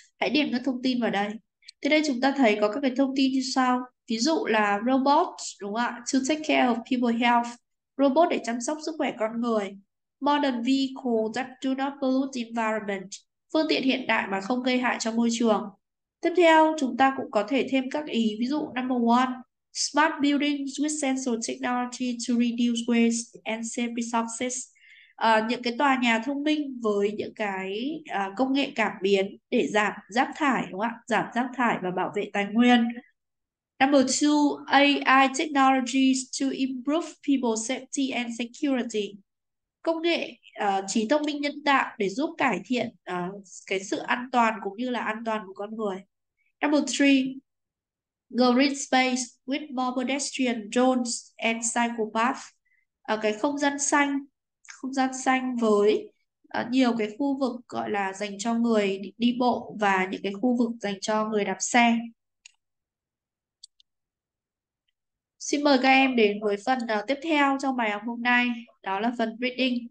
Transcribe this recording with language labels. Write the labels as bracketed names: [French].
[Vietnamese] Hãy điền các thông tin vào đây. Thế đây chúng ta thấy có các cái thông tin như sau. Ví dụ là robot, đúng không ạ? [English] To take care of people health. [Vietnamese] Robot để chăm sóc sức khỏe con người. [English] Modern vehicle that do not pollute environment. [Vietnamese] Phương tiện hiện đại mà không gây hại cho môi trường. Tiếp theo, chúng ta cũng có thể thêm các ý. Ví dụ, [English] number one, smart buildings with sensor technology to reduce waste and save resources. [Vietnamese] Những cái tòa nhà thông minh với những cái công nghệ cảm biến để giảm rác thải, đúng không ạ? Giảm rác thải và bảo vệ tài nguyên. [English] Number two, AI technologies to improve people's safety and security. [Vietnamese] Công nghệ trí thông minh nhân tạo để giúp cải thiện cái sự an toàn cũng như là an toàn của con người. [English] Number three, green space with more pedestrian zones and cycle path. [Vietnamese] Cái không gian xanh với nhiều cái khu vực gọi là dành cho người đi bộ và những cái khu vực dành cho người đạp xe. Xin mời các em đến với phần tiếp theo trong bài học hôm nay, đó là phần reading.